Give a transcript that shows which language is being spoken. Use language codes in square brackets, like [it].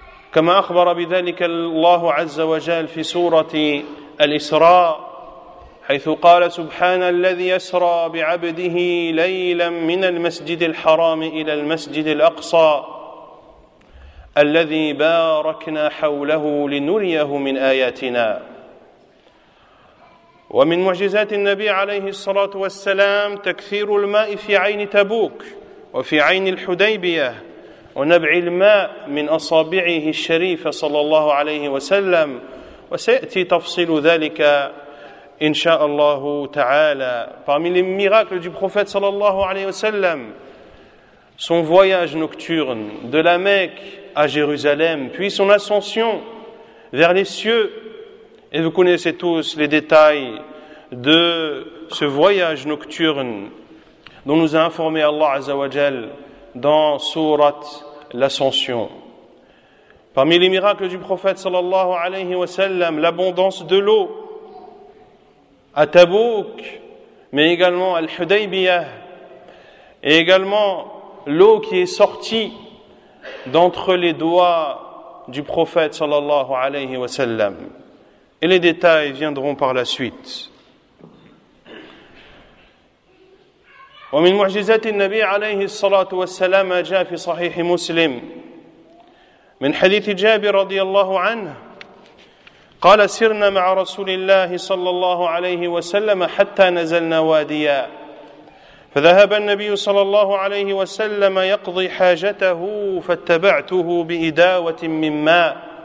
[ar] kama akhbara bidhalika Allah 'azza wa jalla fi surati al-Isra' حيث قال سبحان الذي يسرى بعبده ليلا من المسجد الحرام إلى المسجد الأقصى الذي باركنا حوله لنريه من آياتنا. ومن معجزات النبي عليه الصلاة والسلام تكثير الماء في عين تبوك وفي عين الحديبية ونبع الماء من أصابعه الشريفة صلى الله عليه وسلم، وسيأتي تفصيل ذلك Incha'Allah ta'ala. [fr] Parmi les miracles du prophète sallallahu alayhi wa sallam, son voyage nocturne de la Mecque à Jérusalem, puis son ascension vers les cieux. Et vous connaissez tous les détails de ce voyage nocturne dont nous a informé Allah azawajal dans sourate l'ascension. Parmi les miracles du prophète sallallahu alayhi wa sallam, l'abondance de l'eau à Tabouk, mais également à Al-Hudaybiyah, et également l'eau qui est sortie d'entre les doigts du prophète sallallahu alayhi wa sallam. Et les détails viendront par la suite. [ar] Wa min mu'jizati an-nabi alayhi salatu wa salam ma jaa fi sahih Muslim min hadith Jabir radiyallahu anhu قال سرنا مع رسول الله صلى الله عليه وسلم حتى نزلنا واديا فذهب النبي صلى الله عليه وسلم يقضي حاجته فاتبعته بإداوة من ماء